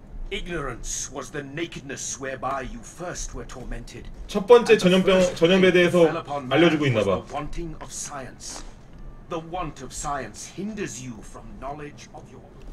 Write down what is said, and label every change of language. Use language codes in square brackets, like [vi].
[en] Ignorance was the nakedness whereby you first were tormented. [ko] 첫 번째 전염병 전염에 대해서 알려주고 있나 봐. [en] Wanting of science. The want of science hinders you from knowledge of your.